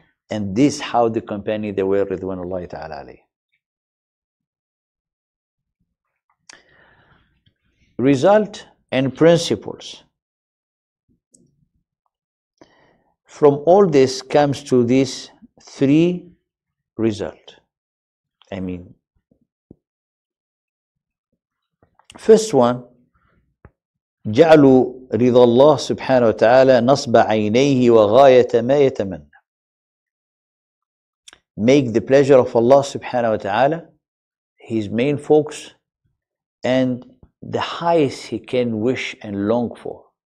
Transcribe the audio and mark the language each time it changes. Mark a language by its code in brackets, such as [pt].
[en] And this how the company they were with one Allah ta'ala alayhi. Result and principles. From all this comes to these three results. [ar] I mean, first one, جعلوا رضا الله سبحانه وتعالى نصب عينيه وغاية ما يتمنى. [en] Make the pleasure of Allah سبحانه وتعالى his main focus and the highest he can wish and long for.